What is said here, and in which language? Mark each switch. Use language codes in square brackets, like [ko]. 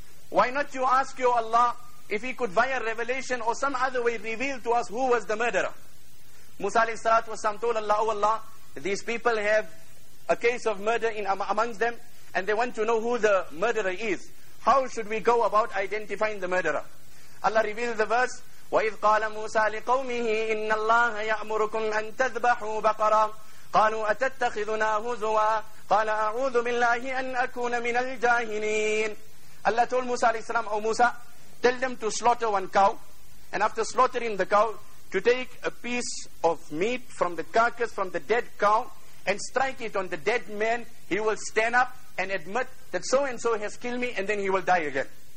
[en] Why not you ask your Allah if he could via revelation or some other way reveal to us who was the murderer?" Musa alayhi salatu wasalam told Allah, "Oh Allah, these people have a case of murder in amongst them, and they want to know who the murderer is. How should we go about identifying the murderer?" Allah revealed the verse, [ar] وَإِذْ قَالَ مُوسَى لِقَوْمِهِ إِنَّ اللَّهَ يَأْمُرُكُمْ أَن تَذْبَحُوا بَقَرًا قَالُوا أَتَتَّخِذُنَا هُزُوًا قَالَ أَعُوذُ بِاللَّهِ أَن أَكُونَ مِنَ الْجَاهِلِينَ. [en] Allah told Musa alayhi salam, "Oh Musa, tell them to slaughter one cow, and after slaughtering the cow, to take a piece of meat from the carcass, from the dead cow, and strike it on the dead man. He will stand up and admit that so and so has killed me, and then he will die again."